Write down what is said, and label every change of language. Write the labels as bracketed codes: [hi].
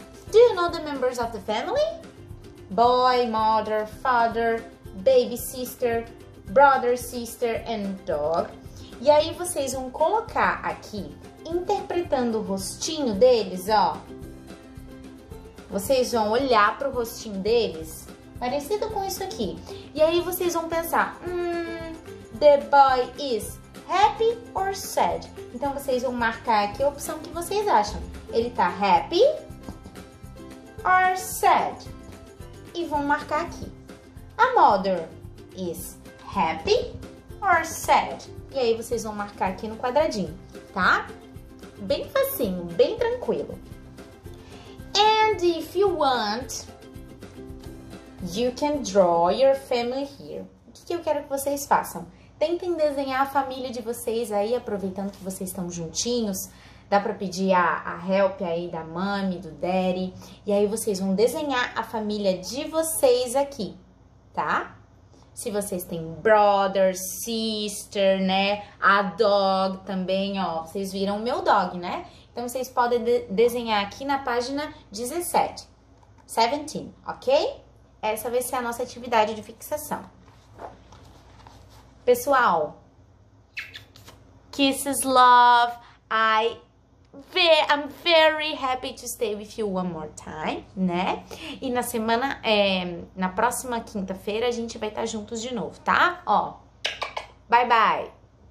[en] Do you know the members of the family? Boy, mother, father, baby, sister, brother, sister and dog. [pt] E aí vocês vão colocar aqui, interpretando o rostinho deles, ó. Vocês vão olhar pro rostinho deles, parecido com isso aqui. E aí vocês vão pensar, [en] the boy is happy or sad? [pt] Então vocês vão marcar aqui a opção que vocês acham. Ele tá [en] happy or sad? [pt] E vão marcar aqui. [en] A mother is happy or sad? [pt] E aí vocês vão marcar aqui no quadradinho, tá? Bem facinho, bem tranquilo. [en] And if you want, you can draw your family here. [pt] O que eu quero que vocês façam? Tentem desenhar a família de vocês aí, aproveitando que vocês estão juntinhos. Dá pra pedir a help aí da mami, do daddy. E aí vocês vão desenhar a família de vocês aqui, tá? Se vocês têm brother, sister, né? A dog também, ó. Vocês viram o meu dog, né? Então vocês podem desenhar aqui na página 17. 17, ok? Essa vai ser a nossa atividade de fixação. [en] Pessoal, kisses, love, I'm very happy to stay with you one more time, né? [pt] E na semana, na próxima quinta-feira, a gente vai estar juntos de novo, tá? Ó, bye bye!